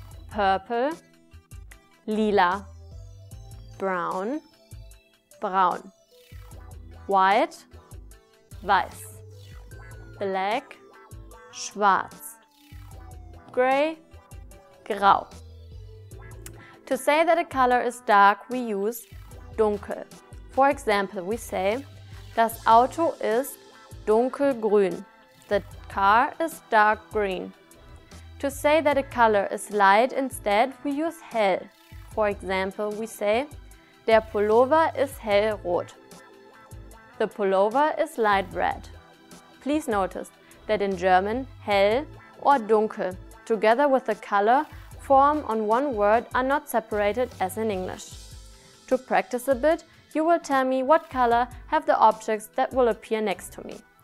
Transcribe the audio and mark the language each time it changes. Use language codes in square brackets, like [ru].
[en] Purple, lila. Brown, braun. White, weiß. Black, schwarz. Gray, grau. To say that a color is dark, we use dunkel. For example, we say, [de] das Auto ist dunkelgrün. [en] The car is dark green. To say that a color is light instead, we use hell. For example, we say, [de] der Pullover ist hellrot. [en] The pullover is light red. Please notice that in German, hell or dunkel, together with the color, form on one word are not separated as in English. To practice a bit, you will tell me what color have the objects that will appear next to me.